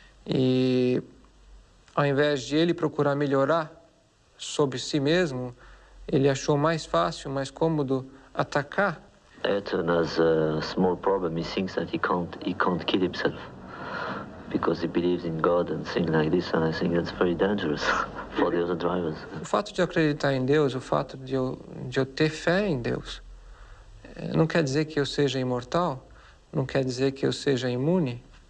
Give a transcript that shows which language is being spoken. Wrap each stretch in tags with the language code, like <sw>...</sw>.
<pt>E ao invés de ele procurar melhorar sobre si mesmo, ele achou mais fácil, mais cômodo atacar.</pt> <en>Ayrton has a small problem. He thinks that he can't kill himself because he believes in God and things like this. And I think that's very dangerous for the other drivers.</en> <pt>O fato de eu acreditar em Deus, o fato de eu ter fé em Deus, não quer dizer que eu seja imortal, não quer dizer que eu seja imune.</pt>